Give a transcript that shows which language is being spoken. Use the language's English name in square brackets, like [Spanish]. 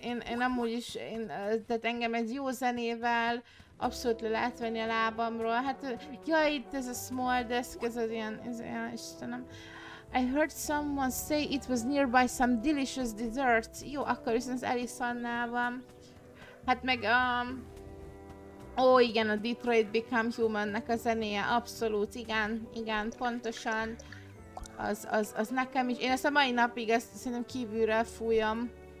[Hungarian] Én amúgy is, tehát engem egy jó zenével abszolút le lehet venni a lábamról. Hát, jaj, itt ez a [English] small desk, [Hungarian] ez ilyen, istenem. [English] I heard someone say it was nearby some delicious dessert. [Hungarian] Jó, akkor viszont az Alice-annál van. Hát meg, igen, a Detroit Become Human-nek a zenéje, abszolút, igen, pontosan. Az nekem is, én ezt a mai napig ezt szerintem kívülről fújom.